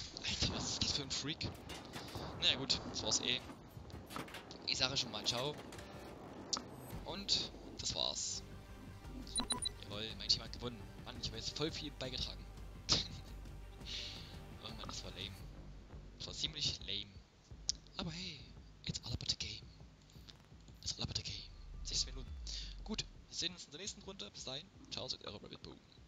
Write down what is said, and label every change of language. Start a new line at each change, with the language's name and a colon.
German: Alter, was ist das für ein Freak? Naja gut, das war's eh. Ich sage schon mal ciao. Und das war's. Jawohl, mein Team hat gewonnen. Mann, ich habe jetzt voll viel beigetragen. Oh Mann, das war lame. Das war ziemlich lame. Aber
English: hey, it's all about the game. It's all about the game.
German: 60 Minuten. Gut, wir sehen uns in der nächsten Runde. Bis dahin. Ciao, sagt eure Rabbit Boom.